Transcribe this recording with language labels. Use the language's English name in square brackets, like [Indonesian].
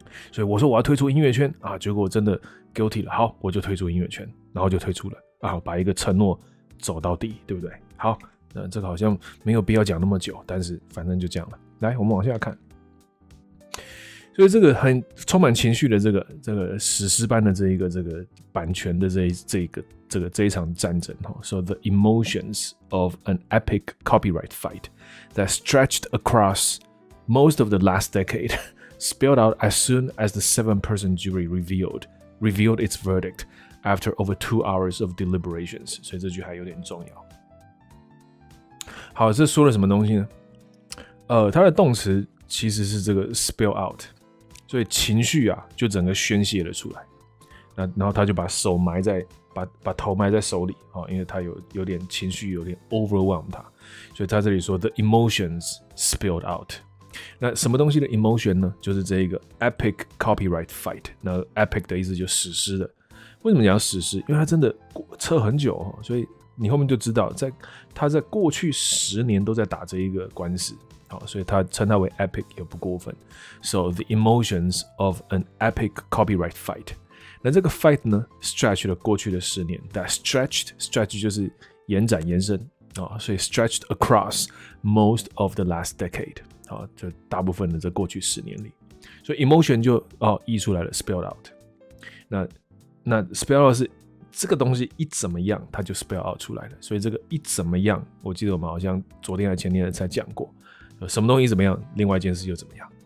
[Chinese] 所以我说我要退出音乐圈啊，结果我真的 guilty 了，好，我就退出音乐圈，然后就退出了啊，把一个承诺走到底，对不对？好，那这个好像没有必要讲那么久，但是反正就这样了。来，我们往下看。所以这个很充满情绪的这个史诗般的这个版权的这一场战争哈。 [English] So the emotions of an epic copyright fight that stretched across most of the last decade spilled out as soon as the 7-person jury revealed its verdict after over 2 hours of deliberations. [Chinese] 所以这句还有点重要。好，这说了什么东西呢？它的动词其实是这个 spill out。所以情绪啊就整个宣泄了出来。然后他就把头埋在手里、哦、因为他有点情绪有点 overwhelm 他。所以他这里说 [English] the emotions spilled out。 [Chinese] 那什么东西的 emotion 呢，就是这一个 [English] epic copyright fight。 [Chinese] 那 epic 的意思就是史诗的。为什么讲史诗，因为他真的撤很久、哦、所以你后面就知道他在过去10年都在打这一个官司。好，所以他称它为 epic 也不过分。 [English] So the emotions of an epic copyright fight。 [Chinese] 那这个 fight 呢 ，stretch 了过去的10年。 That stretch 就是延展延伸啊、哦，所以 [English] stretched across most of the last decade、 [Chinese] 哦。好，就大部分的这过去10年里，所以 emotion 就哦溢出来了 ，spell out。那 spell out 是这个东西一怎么样，它就 spell out 出来了。所以这个一怎么样，我记得我们好像昨天还前天才讲过。什么东西怎么样，另外一件事又怎么样。